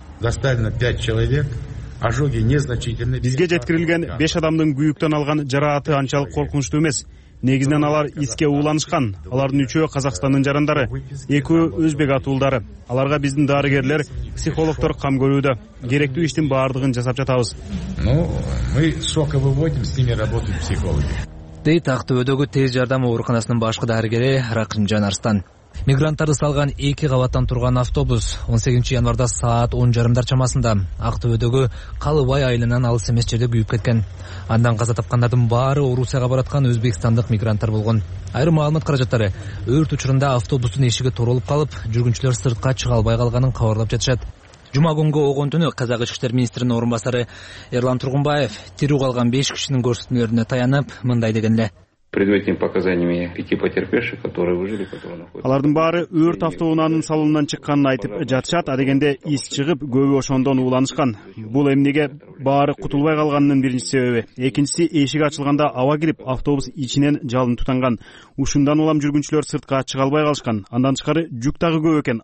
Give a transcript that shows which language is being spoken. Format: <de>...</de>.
<ru>Доставлено 5 человек, Ожоги незначительны.</ru> <ky>Бизге жеткирилген 5 адамдын күйүктөн алган жараатты анчалык коркунучтуу эмес. Негизинен алар иске ууланышкан. Алардын үчөө Казакстандын жарандары, экөө өзбек атуулдары. Аларга биздин дарыгерлер, психологтор кам көрүүдө. Керектүү иштин баардыгын жасап жатабыз.</ky> <ru>Ну, мы сколько выводим, с ними работают психологи.</ru> <ky>Дейт Актоодогу тез жардам ооруканасынын башкы дарыгери Ракымжан Арстан. Мигранттарды салган 2 кабаттан турган автобус 18 январда саат 10:30 чамасында Актоодогу Калыбай айылынан алыс эмес жерде күйүп кеткен. Андан каза тапкандардын баары Орусияга бараткан өзбекстандык мигранттар болгон. Айрым маалымат каражаттары өрт учурунда автобустун эшиги торолуп калып, жүргүнчүлөр сыртка чыга албай калганын кабарлап жатышат. Жума күнгө огон түнү Казак ички иштер министринин орун басары Эрлан Тургунбаев тирүү калган 5 кишинин көрсөтмөлөрүнө таянып мындай деген эле.</ky> <ru>Предварительными показаниями 5 потерпевших, которые выжили, которые находятся.</ru> <ky>Алардын баары өрт автоунаанын салонунан чыкканын айтып жатышат, адегенде из чыгып көбү ошондон ууланышкан. Бул эмнеге баары кутулбай калганынын биринчи себеби. Экинчиси эшик ачылганда аба кирип автобус ичинен жалын тутанган. Ушундан улам жүргүнчүлөр сыртка чыга албай калышкан. Андан тышкары жүк дагы көп экен.</ky>